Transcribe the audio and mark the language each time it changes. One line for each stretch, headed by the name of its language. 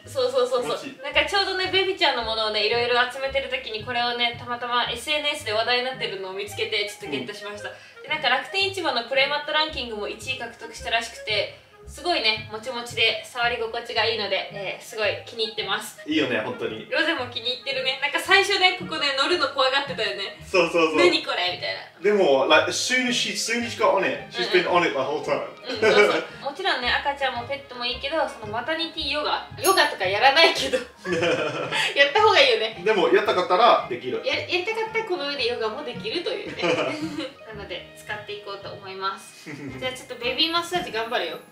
Japanese: そうそうそうそう、なんかちょうどね、ベビちゃんのものをね、いろいろ集めてる時にこれをね、たまたま SNS で話題になってるのを見つけてちょっとゲットしました、うん。で、なんか楽天市場のプレマットランキングも1位獲得したらしくて、すごいね、もちもちで触り心地がいいので、すごい気に入ってます。いいよね、本当に。ロゼも気に入ってるね。なんか最初ね、ここね、乗るの怖がってたよね。そうそうそう。何これみたいな。でも、
English: like, as soon as she, as soon as she got on it, she's been on it the whole time.
Japanese: うん、そうそう。もちろんね、赤ちゃんもペットもいいけど、そのマタニティヨガ。ヨガとかやらないけど。やった方がいいよね。でも、やったかったらできる。やりたかったらこの上でヨガもできるというね。ので使っていこうと思います。じゃあちょっとベビーマッサージ頑張るよ。